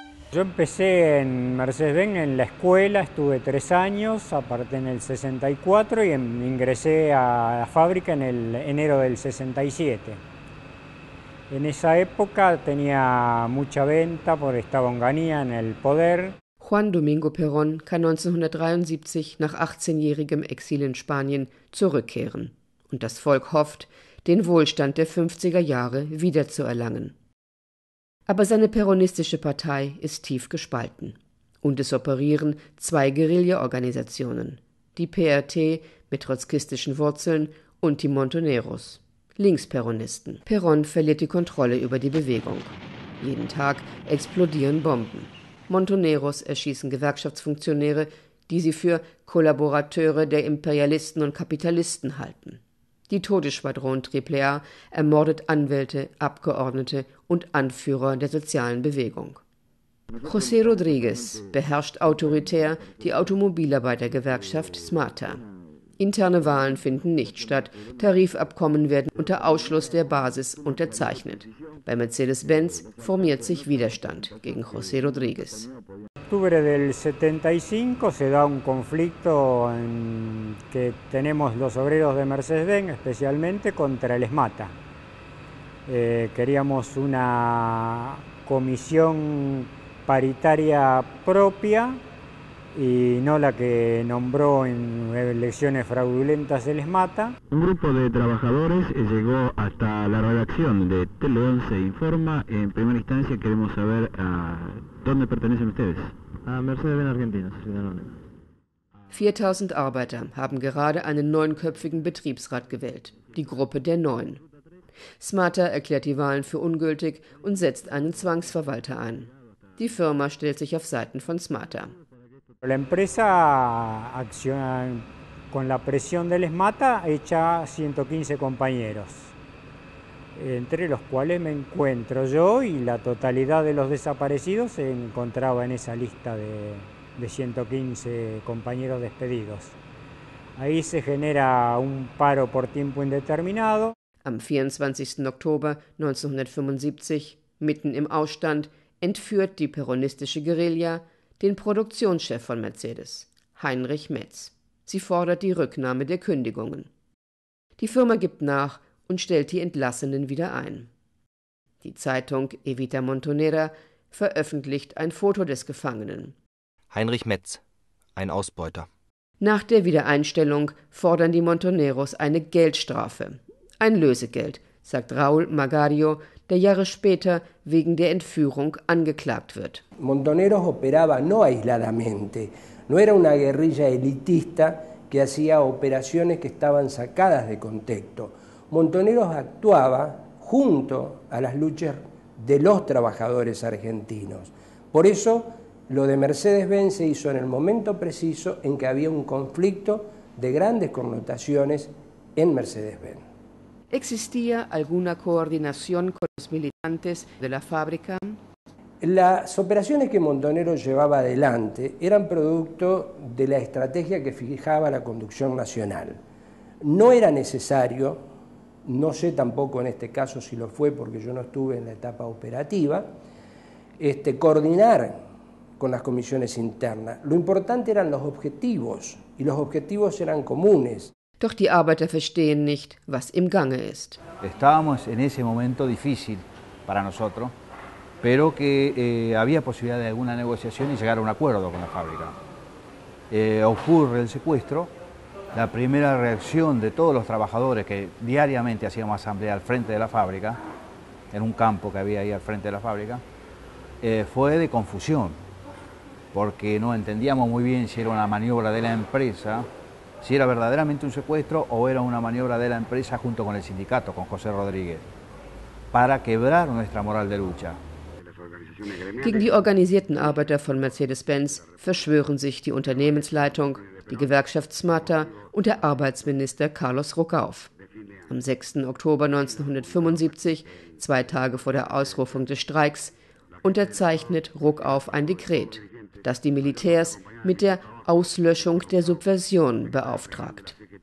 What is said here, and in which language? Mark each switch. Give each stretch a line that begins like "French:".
Spanish: Yo empecé en Mercedes-Benz en la escuela, estuve 3 años, aparte en el 64, y ingresé a la fábrica en el enero del 67. En esa época tenía mucha venta porque estaba Onganía en el poder.
German: Juan Domingo Perón kann 1973 nach 18-jährigem Exil in Spanien zurückkehren. Und das Volk hofft, den Wohlstand der 50er Jahre wiederzuerlangen. Aber seine peronistische Partei ist tief gespalten. Und es operieren 2 Guerilla-Organisationen, die PRT mit trotzkistischen Wurzeln und die Montoneros, Linksperonisten. Perón verliert die Kontrolle über die Bewegung. Jeden Tag explodieren Bomben. Montoneros erschießen Gewerkschaftsfunktionäre, die sie für Kollaborateure der Imperialisten und Kapitalisten halten. Die Todesschwadron AAA ermordet Anwälte, Abgeordnete und Anführer der sozialen Bewegung. José Rodríguez beherrscht autoritär die Automobilarbeitergewerkschaft SMATA. Interne Wahlen finden nicht statt, Tarifabkommen werden unter Ausschluss der Basis unterzeichnet. Bei Mercedes-Benz formiert sich Widerstand gegen José Rodríguez.
Spanish: Octubre del 75 se da un conflicto en que tenemos los obreros de Mercedes-Benz, especialmente contra el SMATA. Queríamos una comisión paritaria propia y no la que nombró en elecciones fraudulentas el SMATA. Un grupo de trabajadores llegó hasta la redacción de Tele 11 Informa. En primera instancia queremos saber a dónde pertenecen ustedes. Mercedes-Benz Argentina, Sociedad Anónima.
German: 4.000 Arbeiter haben gerade einen 9-köpfigen Betriebsrat gewählt, die Gruppe der 9. SMATA erklärt die Wahlen für ungültig und setzt einen Zwangsverwalter ein. Die Firma stellt sich auf Seiten von SMATA.
Spanish: La empresa acciona con la presión del SMATA echa 115 compañeros, entre los cuales me encuentro yo y la totalidad de los desaparecidos se encontraba en esa lista de 115 compañeros despedidos. Ahí se genera un paro por tiempo indeterminado.
German: Am 24. Oktober 1975, mitten im Ausstand, entführt die peronistische Guerilla den Produktionschef von Mercedes, Heinrich Metz. Sie fordert die Rücknahme der Kündigungen. Die Firma gibt nach und stellt die Entlassenen wieder ein. Die Zeitung Evita Montonera veröffentlicht ein Foto des Gefangenen. Heinrich Metz, ein Ausbeuter. Nach der Wiedereinstellung fordern die Montoneros eine Geldstrafe. Ein Lösegeld, sagt Raúl Magario, der Jahre später wegen der Entführung angeklagt wird.
Spanish: Montoneros operaba no aisladamente. No era una guerrilla elitista que hacía operaciones que estaban sacadas de contexto. Montoneros actuaba junto a las luchas de los trabajadores argentinos. Por eso Lo de Mercedes-Benz se hizo en el momento preciso en que había un conflicto de grandes connotaciones en Mercedes-Benz. ¿Existía alguna coordinación con los militantes de la fábrica? Las operaciones que Montonero llevaba adelante eran producto de la estrategia que fijaba la conducción nacional. No era necesario, no sé tampoco en este caso si lo fue porque yo no estuve en la etapa operativa, coordinar con las comisiones internas. Lo importante eran los objetivos y los objetivos eran comunes.
German: Doch die Arbeiter verstehen nicht, was im Gange ist.
Spanish: Estábamos en ese momento difícil para nosotros, pero que había posibilidad de alguna negociación y llegar a un acuerdo con la fábrica. Ocurre el secuestro, la primera reacción de todos los trabajadores que diariamente hacíamos asamblea al frente de la fábrica, en un campo que había ahí al frente de la fábrica, fue de confusión, porque no entendíamos muy bien si era una maniobra de la empresa, si era verdaderamente un secuestro o era una maniobra de la empresa junto con el sindicato, con José Rodríguez, para quebrar nuestra moral de lucha.
German: Gegen die organisierten Arbeiter von Mercedes-Benz verschwören sich die Unternehmensleitung, die Gewerkschaft SMATA und der Arbeitsminister Carlos Rucauf. Am 6. Oktober 1975, zwei Tage vor der Ausrufung des Streiks, unterzeichnet Rucauf ein Dekret, das die Militärs mit der Auslöschung der Subversion beauftragt.